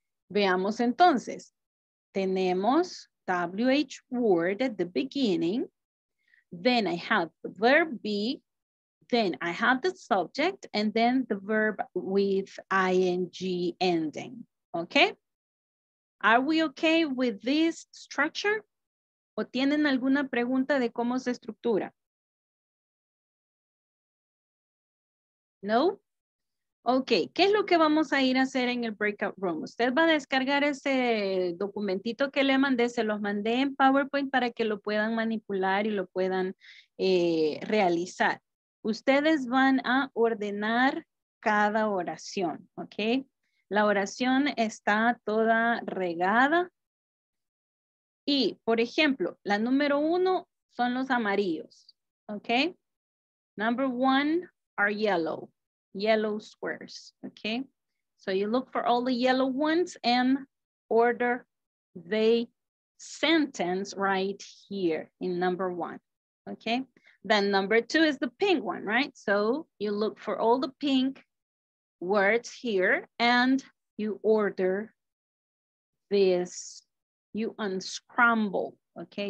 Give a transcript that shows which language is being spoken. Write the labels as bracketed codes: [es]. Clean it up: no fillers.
[es] Veamos entonces, tenemos [en] WH word at the beginning, then I have the verb be, then I have the subject, and then the verb with ing ending, okay? Are we okay with this structure? [es] ¿O tienen alguna pregunta de cómo se estructura? No? Ok, ¿qué es lo que vamos a ir a hacer en el breakout room? Usted va a descargar ese documentito que le mandé, se los mandé en PowerPoint para que lo puedan manipular y lo puedan realizar. Ustedes van a ordenar cada oración, ¿ok? La oración está toda regada. Y, por ejemplo, la número uno son los amarillos, ¿ok? [en] Number one are yellow. Yellow squares, okay? So you look for all the yellow ones and order the sentence right here in number one, okay? Then number two is the pink one, right? So you look for all the pink words here and you order this, you unscramble, okay?